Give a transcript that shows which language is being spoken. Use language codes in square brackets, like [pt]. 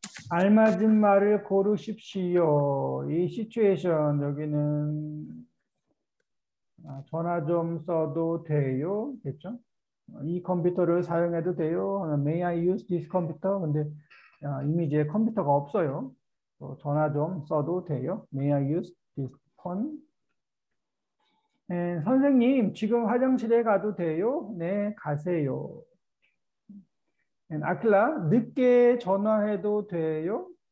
[ko] 알맞은 말을 고르십시오. 이 시츄에이션 여기는 전화 좀 써도 돼요? 됐죠? 이 컴퓨터를 사용해도 돼요? [en] May I use this computer? [ko] 근데 이미 이제 컴퓨터가 없어요. 전화 좀 써도 돼요? [en] May I use this phone? [ko] 네, 선생님, 지금 화장실에 가도 돼요? 네, 가세요. 아킬라, 늦게 전화해도 돼요?